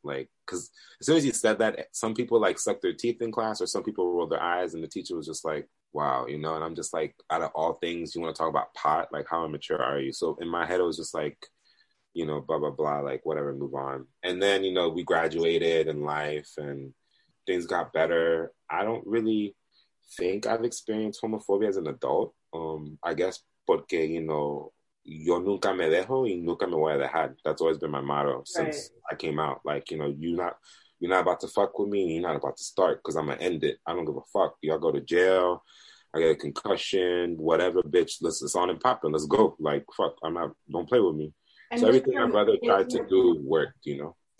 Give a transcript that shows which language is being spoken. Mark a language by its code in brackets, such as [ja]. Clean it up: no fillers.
[en] Like, because as soon as he said that, some people, like, sucked their teeth in class or some people rolled their eyes and the teacher was just like, wow, you know? And I'm just like, out of all things, you want to talk about pot? Like, how immature are you? So in my head, it was just like, you know, blah, blah, blah, like, whatever, move on. And then, you know, we graduated in life and things got better. I don't really think I've experienced homophobia as an adult. I guess [es] porque, [en] you know, [es] yo nunca me dejo y nunca me voy a dejar. [en] That's always been my motto since I came out. Like, you know, you're not about to fuck with me and you're not about to start because I'm going to end it. I don't give a fuck. Y'all go to jail. I get a concussion, whatever, bitch. It's on and popping. Let's go. Like, fuck, I'm not, don't play with me. And so everything my brother tried to do worked, you know?